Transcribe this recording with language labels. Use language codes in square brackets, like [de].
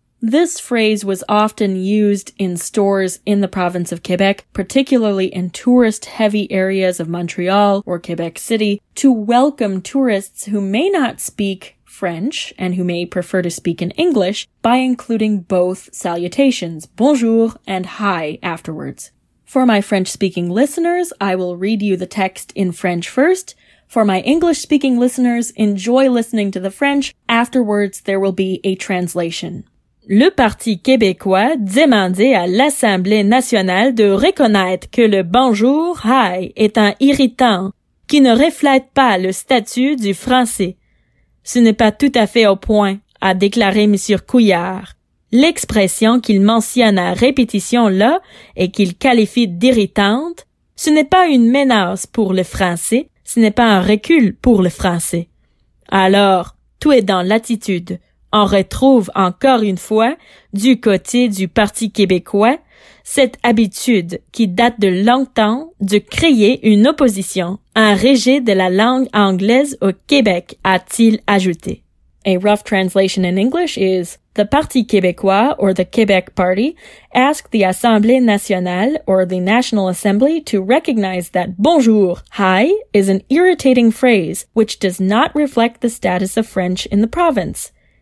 [en] This phrase was often used in stores in the province of Quebec, particularly in tourist-heavy areas of Montreal or Quebec City, to welcome tourists who may not speak French and who may prefer to speak in English by including both salutations, bonjour and hi, afterwards. For my French-speaking listeners, I will read you the text in French first. For my English-speaking listeners, enjoy listening to the French. Afterwards, there will be a translation. [fr] Le Parti québécois demandait à l'Assemblée nationale de reconnaître que le bonjour, hi, est un irritant qui ne reflète pas le statut du français. Ce n'est pas tout à fait au point, a déclaré M. Couillard. L'expression qu'il mentionne à répétition là et qu'il qualifie d'irritante, ce n'est pas une menace pour le français, ce n'est pas un recul pour le français. Alors, tout est dans l'attitude. On retrouve encore une fois, du côté du Parti québécois, cette habitude qui date de longtemps de créer une opposition, un rejet de la langue anglaise au Québec, a-t-il ajouté. [en] A rough translation in English is, the Parti québécois, or the Quebec Party, asked the Assemblée nationale, or the National Assembly, to recognize that bonjour, hi, is an irritating phrase which does not reflect the status of French in the province.